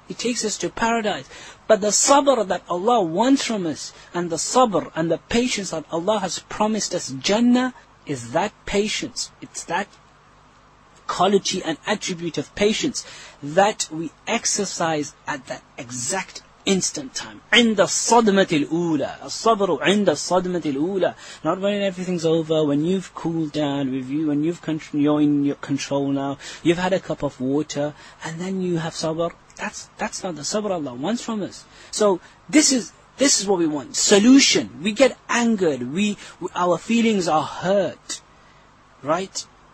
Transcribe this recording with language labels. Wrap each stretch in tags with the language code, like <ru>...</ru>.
<en>It takes us to paradise. But the sabr that Allah wants from us, and the sabr and the patience that Allah has promised us Jannah, is that patience. It's that quality and attribute of patience that we exercise at that exact instant time.</en> <ar>عند الصدمة الأولى. الصبر عند الصدمة الأولى.</ar> <en>Not when everything's over, when you've cooled down, when you've you're in your control now, you've had a cup of water, and then you have sabr. That's not the sabr Allah wants from us. So this is what we want. Solution. We get angered. Our feelings are hurt. Right?</en>